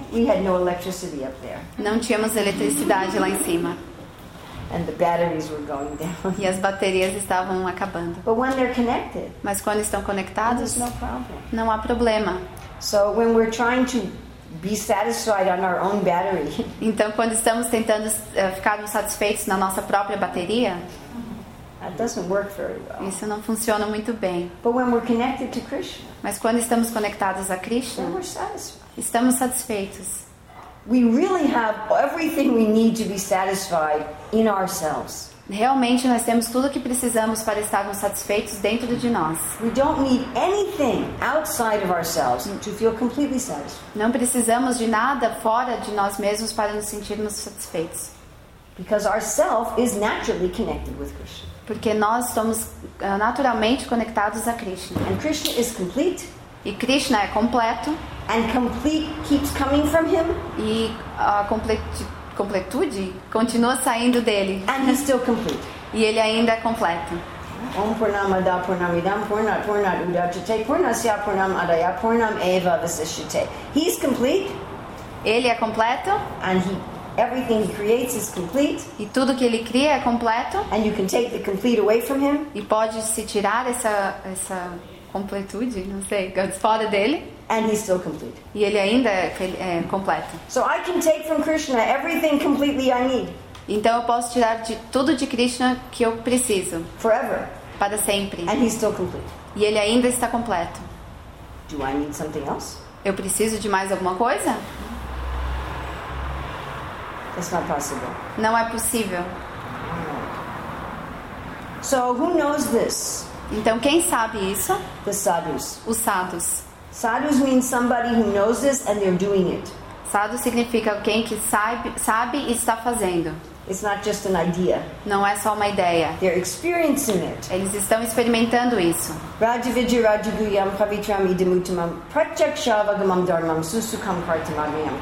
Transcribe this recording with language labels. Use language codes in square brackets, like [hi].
[en] We had no electricity up there. [pt] Não tínhamos eletricidade lá em cima. [en] And the batteries were going down. [pt] E as baterias estavam acabando. [en] But when they're connected, [pt] mas quando estão conectados, [en] there's no problem. [pt] Não há problema. [en] So when we're trying to be satisfied on our own battery, [pt] então quando estamos tentando ficar satisfeitos na nossa própria bateria, [en] that doesn't work very well. [pt] Isso não funciona muito bem. [en] But when we're connected to Krishna, [pt] mas quando estamos conectados a Krishna, [en] then we're satisfied. [pt] Estamos satisfeitos. [en] We really have everything we need to be satisfied in ourselves. [pt] Realmente nós temos tudo o que precisamos para estarmos satisfeitos dentro de nós. [en] We don't need anything outside of ourselves to feel completely satisfied. [pt] Não precisamos de nada fora de nós mesmos para nos sentirmos satisfeitos. [en] Because our self is naturally connected with Krishna. [pt] Porque nós somos naturalmente conectados a Krishna. [en] And Krishna is complete. [pt] E Krishna é completo. [en] And complete keeps coming from him. [pt] E a completude continua saindo dele. [en] And he's still complete. [pt] E ele ainda é completo. [sa] Om Purnamada Purnamidam Purnat Purnat Udachate Purnasya Purnam Adaya Purnam Eva Vasishchate. [en] He's complete. [pt] Ele é completo. [en] And he, everything he creates is complete. [pt] E tudo que ele cria é completo. [en] And you can take the complete away from him. [pt] E pode se tirar essa completude, não sei, fora dele. [en] And he's still complete. [pt] E ele ainda é completo. [en] So I can take from Krishna everything completely I need. [pt] Então eu posso tirar de tudo de Krishna que eu preciso. [en] Forever. [pt] Para sempre. [en] And he's still complete. [pt] E ele ainda está completo. [en] Do I need something else? [pt] Eu preciso de mais alguma coisa? [en] It's not possible. [pt] Não é possível. [en] So who knows this? [pt] Então quem sabe isso? [en] The sadhus. [pt] Os sadhus. [en] Sadhus means somebody who knows this and they're doing it. [pt] Sadhu significa alguém que sabe e está fazendo. [en] It's not just an idea. [pt] Não é só uma ideia. [en] They're experiencing it. [pt] Eles estão experimentando isso. [sa] Rajavidya Rajaguyam Pavitram Idamutamam Pratyakshavagamam Dharmam Susukam Kartamagriyam.